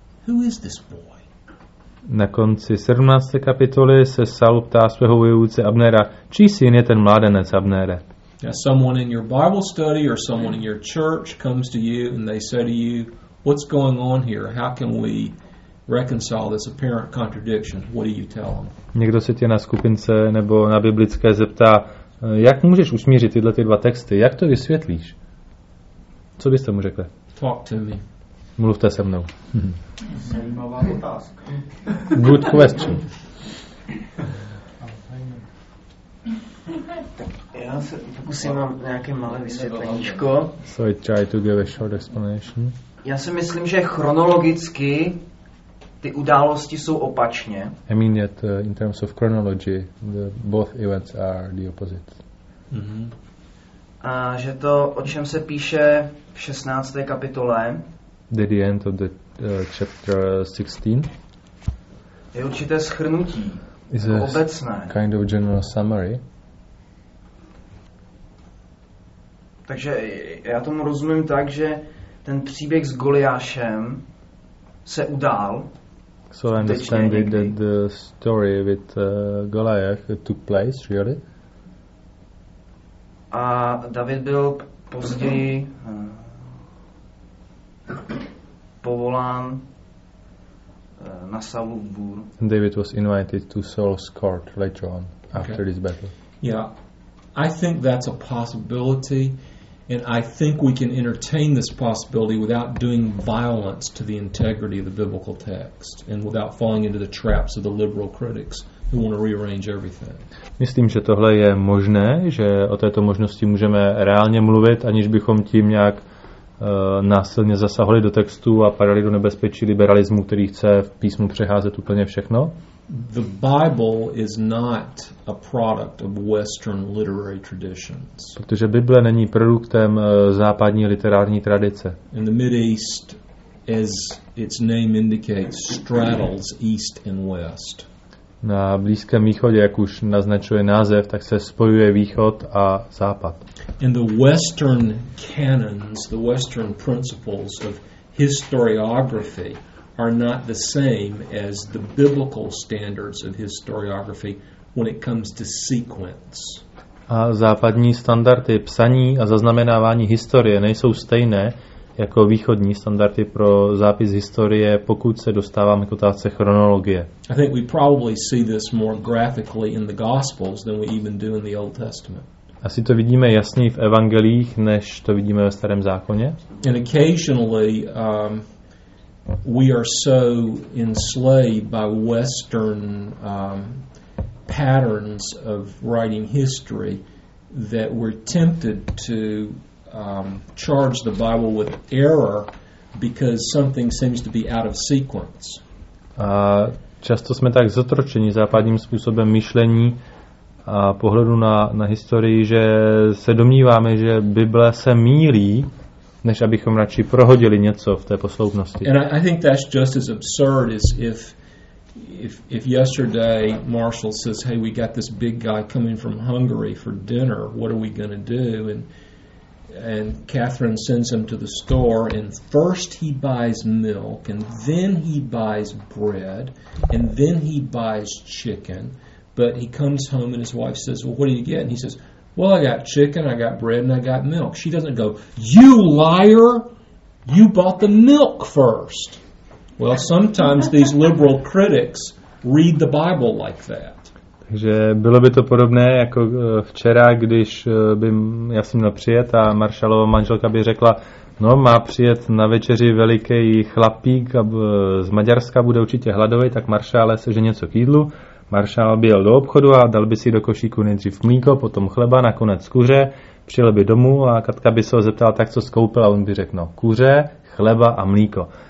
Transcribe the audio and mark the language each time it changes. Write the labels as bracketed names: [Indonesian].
[English] Who is this boy? [Czech] Na konci 17. kapitoly se Saul ptá svého vojevůdce Abnera, čí syn je ten mládenec Abnere. [English] Someone in your Bible study or someone in your church comes to you and they say to you, what's going on here? How can we reconcile this apparent contradiction? What do you tell them? [Czech] Někdo se tě na skupince nebo na biblické zeptá, jak můžeš usmířit tyhle ty dva texty? Jak to vysvětlíš? Co byste mu řekl? [English] To Talk to me. [Czech] Mluvte se mnou. Zajímavá otázka. [English] Good question. [Czech] Tak já se pokusím vám nějaké malé vysvětleníčko. [English] So I try to give a short explanation. [Czech] Já si myslím, že chronologicky ty události jsou opačně. [English] I mean that in terms of chronology, the both events are the opposite. Mm-hmm. [Czech] A že to, o čem se píše v 16. kapitole, [English] that the end of the chapter 16 [Czech] je určité shrnutí, is a obecné. [English] Kind of general summary. [Czech] Takže já tomu rozumím tak, že ten příběh s Goliášem se udál. [English] So I understand it that the story with Goliath took place, really. [Czech] A David byl později povolán na Saulův dvůr. [English] David was invited to Saul's court later on, after okay. this battle. Yeah, I think that's a possibility. And I think we can entertain this possibility without doing violence to the integrity of the biblical text and without falling into the traps of the liberal critics who want to rearrange everything. [Czech] Myslím, že tohle je možné, že o této možnosti můžeme reálně mluvit, aniž bychom tím nějak násilně zasahli do textu a padali do nebezpečí liberalismu, který chce v písmu přeházet úplně všechno. [English] The Bible is not a product of Western literary traditions. [Czech] Protože Bible není produktem západní literární tradice. [English] And the Mideast, as its name indicates, straddles east and west. [Czech] Na Blízkém východě, jak už naznačuje název, tak se spojuje východ a západ. [English] And the Western canons, the Western principles of historiography are not the same as the biblical standards of historiography when it comes to sequence. [Czech] A západní standardy psaní a zaznamenávání historie nejsou stejné jako východní standardy pro zápis historie, pokud se dostáváme k otázce chronologie. [English] I think we probably see this more graphically in the Gospels than we even do in the Old Testament. [Czech] Asi to vidíme jasněji v evangeliích, než to vidíme ve Starém zákoně. [English] And occasionally we are so enslaved by Western patterns of writing history that we're tempted to charge the Bible with error because something seems to be out of sequence. [Czech] A často jsme tak zotročeni západním způsobem myšlení a pohledu na historii, že se domníváme, že Bible se mýlí, než abychom radši prohodili něco v té posloupnosti. [English] And I think that's just as absurd as if yesterday Marshall says, hey, we got this big guy coming from Hungary for dinner, what are we going to do? And Catherine sends him to the store, and first he buys milk, and then he buys bread, and then he buys chicken, but he comes home and his wife says, well, what do you get? And he says, well, I got chicken, I got bread, and I got milk. She doesn't go, you liar! You bought the milk first. Well, sometimes these liberal critics read the Bible like that. [Czech] Takže bylo by to podobné, jako včera, když by já jsem měl přijet a Marshallova manželka by řekla, no, má přijet na večeři veliký chlapík z Maďarska, bude určitě hladový, tak Marshalle se, že něco k jídlu. Maršál byl do obchodu a dal by si do košíku nejdřív mlíko, potom chleba, nakonec kuře, přijel by domů a Katka by se ho zeptala, tak co skoupil, a on by řekl, no, kuře, chleba a mlíko.